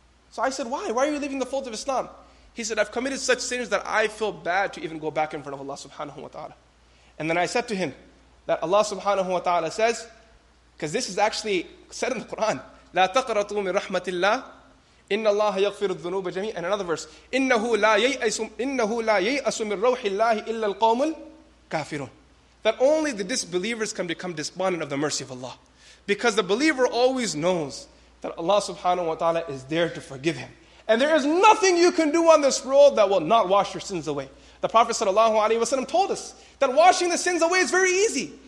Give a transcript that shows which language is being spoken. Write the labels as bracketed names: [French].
[English] So I said, why? Why are you leaving the folds of Islam? He said, I've committed such sins that I feel bad to even go back in front of Allah subhanahu wa ta'ala. And then I said to him that Allah subhanahu wa ta'ala says, because this is actually said in the Quran, [Arabic] لَا تَقْرَطُوا مِن رَحْمَةِ اللَّهِ إِنَّ اللَّهَ يَغْفِرُ الذُّنُوبَ جَمِيعًا. [English] And another verse, [Arabic] إِنَّهُ لَا يَيْأَسُ مِن رَوْحِ اللَّهِ إِلَّا الْقَوْمُ الْكَافِرُونَ. [English] That only the disbelievers can become despondent of the mercy of Allah. Because the believer always knows that Allah subhanahu wa ta'ala is there to forgive him. And there is nothing you can do on this world that will not wash your sins away. The Prophet ﷺ told us that washing the sins away is very easy.